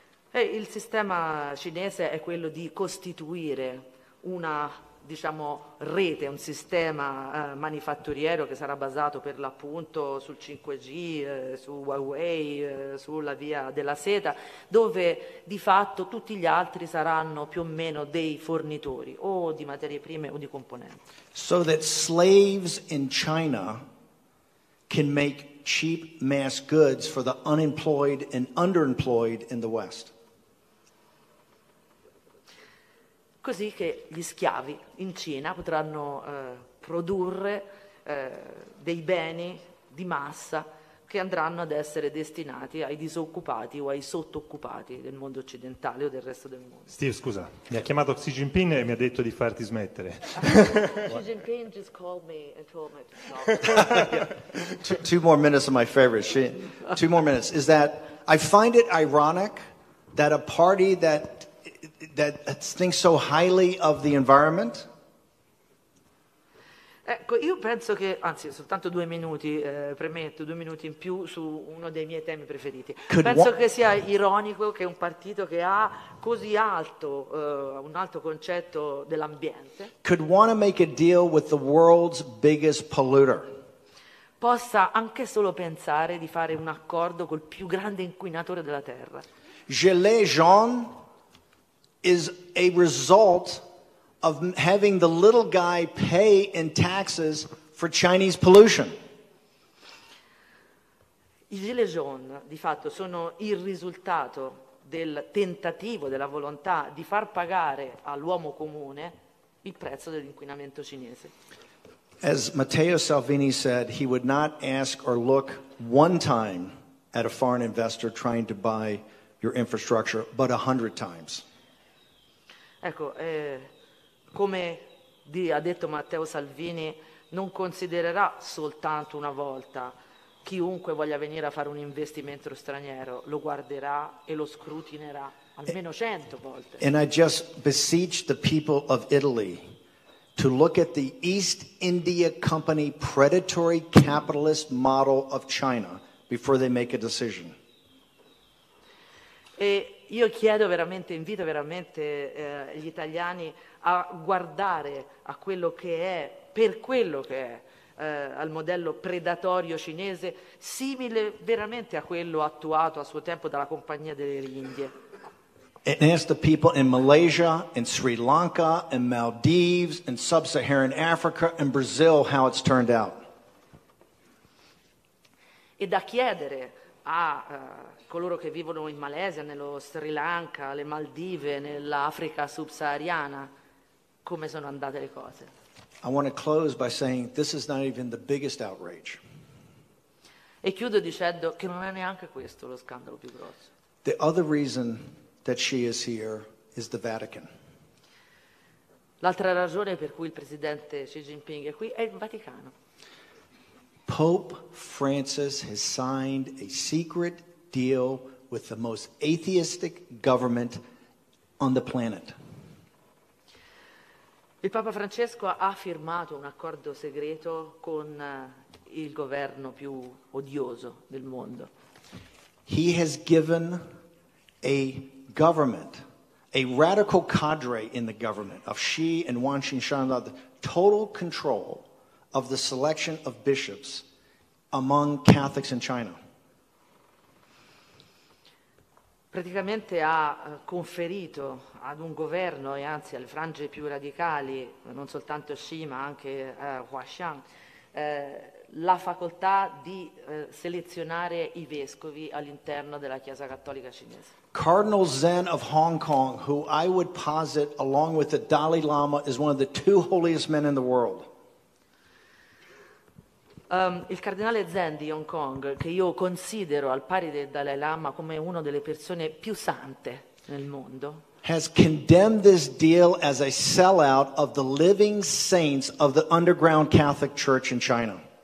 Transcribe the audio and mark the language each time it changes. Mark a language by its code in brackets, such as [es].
[it] Hey, il sistema cinese è quello di costituire una, diciamo, rete, un sistema manifatturiero che sarà basato per l'appunto sul 5G, su Huawei, sulla via della seta, dove di fatto tutti gli altri saranno più o meno dei fornitori o di materie prime o di componenti. [en] So that slaves in China can make cheap mass goods for the unemployed and underemployed in the West. [it] Così che gli schiavi in Cina potranno produrre dei beni di massa che andranno ad essere destinati ai disoccupati o ai sottooccupati del mondo occidentale o del resto del mondo. Steve, scusa, mi ha chiamato Xi Jinping e mi ha detto di farti smettere. [en] Xi Jinping just called me and told me to stop. two more minutes of my favorite. Two more minutes. Is that I find it ironic that a party that thinks so highly of the environment. [it] Ecco, io penso che, anzi, soltanto due minuti, premetto, due minuti in più su uno dei miei temi preferiti. Penso che sia ironico che un partito che ha così alto, un alto concetto dell'ambiente, [en] could wanna make a deal with the world's biggest polluter. [it] Possa anche solo pensare di fare un accordo col più grande inquinatore della Terra. [en] Gilets jaunes is a result of having the little guy pay in taxes for Chinese pollution. [it] I gilets jaunes, di fatto, sono il risultato del tentativo, della volontà di far pagare all'uomo comune il prezzo dell'inquinamento cinese. [en] As Matteo Salvini said, he would not ask or look one time at a foreign investor trying to buy your infrastructure, but 100 times. [it] Ecco, come ha detto Matteo Salvini, non considererà soltanto una volta chiunque voglia venire a fare un investimento straniero, lo guarderà e lo scrutinerà almeno 100 volte. [en] And I just beseech the people of Italy to look at the East India Company predatory capitalist model of China before they make a decision. [it] E io chiedo veramente, invito veramente gli italiani a guardare a quello che è, per quello che è, al modello predatorio cinese, simile veramente a quello attuato a suo tempo dalla Compagnia delle Indie. [en] And ask the people in Malaysia, in Sri Lanka, in Maldives, in Sub-Saharan Africa, in Brazil how it's turned out. [it] E da chiedere a coloro che vivono in Malesia, nello Sri Lanka, le Maldive, nell'Africa subsahariana, come sono andate le cose. [en] I want to close by saying this is not even the biggest outrage. [it] E chiudo dicendo che non è neanche questo lo scandalo più grosso. [en] The other reason that she is here is the Vatican. [it] L'altra ragione per cui il presidente Xi Jinping è qui è il Vaticano. [en] Pope Francis has signed a secret deal with the most atheistic government on the planet. [it] Il Papa Francesco ha firmato un accordo segreto con il governo più odioso del mondo. [en] He has given a government, a radical cadre in the government of Xi and Wang Xinshan, the total control of the selection of bishops among Catholics in China. [it] Praticamente ha conferito ad un governo e anzi alle frange più radicali, non soltanto Xi ma anche Huaxiang, la facoltà di selezionare i vescovi all'interno della Chiesa Cattolica Cinese. [en] Cardinal Zen of Hong Kong, who I would posit along with the Dalai Lama is one of the two holiest men in the world. [it] Il cardinale Zen di Hong Kong, che io considero al pari del Dalai Lama come una delle persone più sante nel mondo, [en] has condemned this deal as a sellout of the living saints of the underground Catholic Church in China.